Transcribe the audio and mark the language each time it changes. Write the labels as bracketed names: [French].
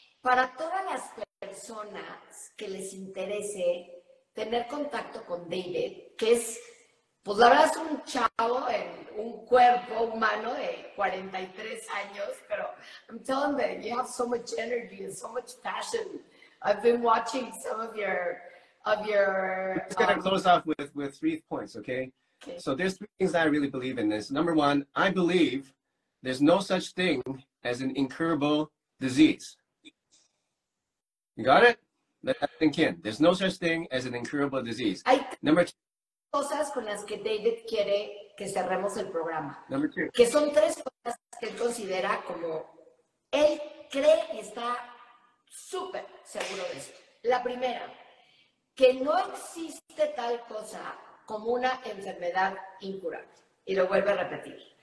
[Spanish] Para todas las personas que les interese tener contacto con David, que es, pues la verdad es un chavo en un cuerpo humano de 43 años, pero [English] I'm telling them, you have so much energy and so much passion. I've been watching some of your... I'm just going to close off with 3 points, okay? So there's 3 things that I really believe in this. Number one, I believe there's no such thing as an incurable disease. You got it? Let that sink in. There's no such thing as an incurable disease. Number two. [Spanish] Cosas con las que David quiere que cerremos el programa. [English] Number two. [Spanish] Que son tres cosas que él considera como... Él cree que está súper seguro de eso. La primera... Que no existe tal cosa como una enfermedad incurable. Y lo vuelvo a repetir.